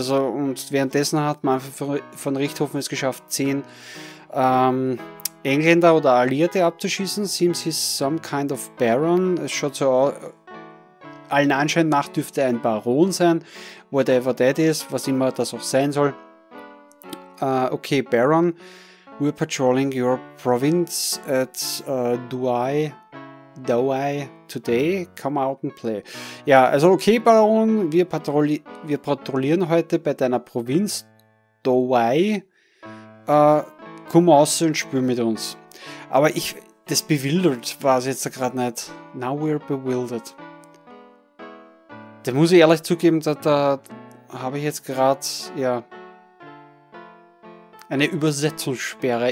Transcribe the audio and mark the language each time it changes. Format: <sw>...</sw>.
<de>Also, und währenddessen hat Manfred von Richthofen es geschafft, 10 Engländer oder Alliierte abzuschießen.</de> <en>Seems he's some kind of Baron.</en> <de>Es schaut so aus. Allen Anschein nach dürfte er ein Baron sein.</de> <en>Whatever that is,</en> <de>was immer das auch sein soll.</de> <en>Okay, Baron, we're patrolling your province at Douai. Douai today, come out and play.</en> <de>Ja, also okay, Baron, wir patrouillieren heute bei deiner Provinz Douai. Komm raus und spiel mit uns. Aber ich, das bewildert war es jetzt gerade nicht.</de> <en>Now we're bewildered.</en> <de>Da muss ich ehrlich zugeben, da habe ich jetzt gerade, ja, eine Übersetzungssperre.</de>